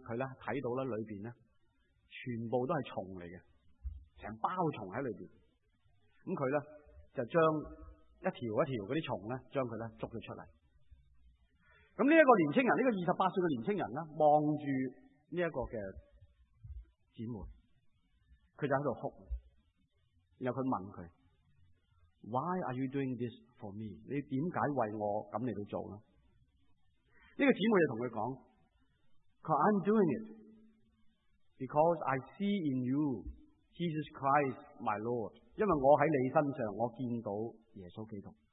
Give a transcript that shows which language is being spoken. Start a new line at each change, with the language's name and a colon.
Cantonese: 他呢看到呢里面呢全部都是虫来的，成包虫在里面。咁佢呢就将一条一条嗰啲虫呢将佢呢捉咗出嚟。咁呢一个年轻人，呢、这个28岁嘅年轻人呢望住呢一个嘅姊妹，佢就喺度哭。然后佢问佢
English: ,Why are you doing this for me?
Cantonese: 你点解为我咁嚟到做呢？呢、这个姊妹就同佢讲，佢
English: I'm doing it because I see in you Jesus Christ my Lord，
Cantonese: 因为我在你身上我见到耶稣基督。